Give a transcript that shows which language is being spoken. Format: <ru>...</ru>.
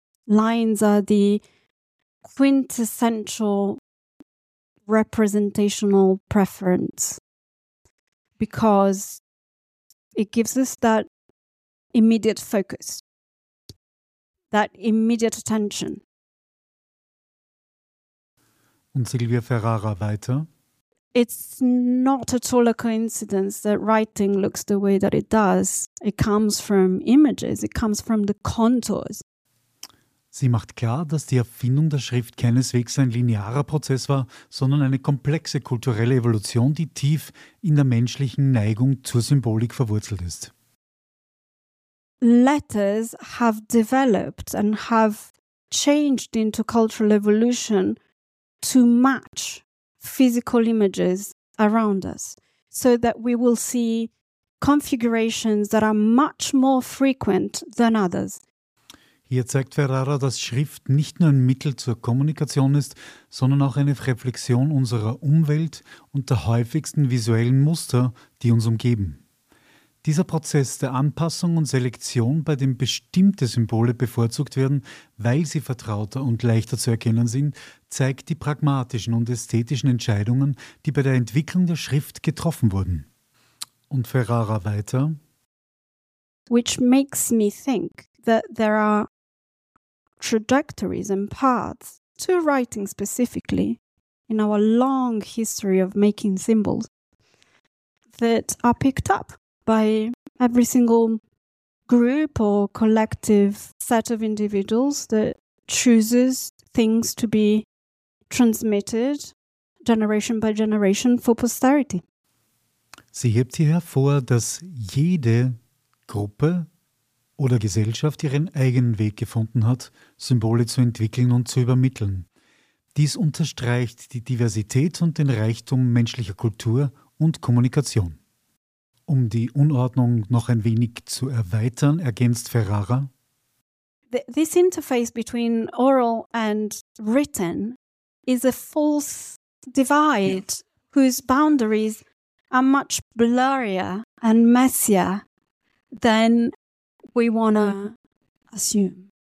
<en>Lines are the quintessential representational preference, because it gives us that immediate focus, that immediate attention.</en> <de>Und Silvia Ferrara weiter:</de> <en>it's not at all a coincidence that writing looks the way that it does. It comes from images. It comes from the contours.</en> <de>Sie macht klar, dass die Erfindung der Schrift keineswegs ein linearer Prozess war, sondern eine komplexe kulturelle Evolution, die tief in der menschlichen Neigung zur Symbolik verwurzelt ist.</de> <en>Letters have developed and have changed into cultural evolution to match physical images around us, so that we will see configurations that are much more frequent than others.</en> <de>Hier zeigt Ferrara, dass Schrift nicht nur ein Mittel zur Kommunikation ist, sondern auch eine Reflexion unserer Umwelt und der häufigsten visuellen Muster, die uns umgeben. Dieser Prozess der Anpassung und Selektion, bei dem bestimmte Symbole bevorzugt werden, weil sie vertrauter und leichter zu erkennen sind, zeigt die pragmatischen und ästhetischen Entscheidungen, die bei der Entwicklung der Schrift getroffen wurden. Und Ferrara weiter.</de> <en>Which makes me think that there are trajectories and paths to writing specifically in our long history of making symbols that are picked up by every single group or collective set of individuals that chooses things to be transmitted generation by generation for posterity.</en> <de>Sie hebt hier hervor, dass jede Gruppe oder Gesellschaft ihren eigenen Weg gefunden hat, Symbole zu entwickeln und zu übermitteln. Dies unterstreicht die Diversität und den Reichtum menschlicher Kultur und Kommunikation. Um die Unordnung noch ein wenig zu erweitern, ergänzt Ferrara.</de> <en>This interface between oral and written is a false divide, yeah, whose boundaries are much blurrier and messier than we wanna assume.</en>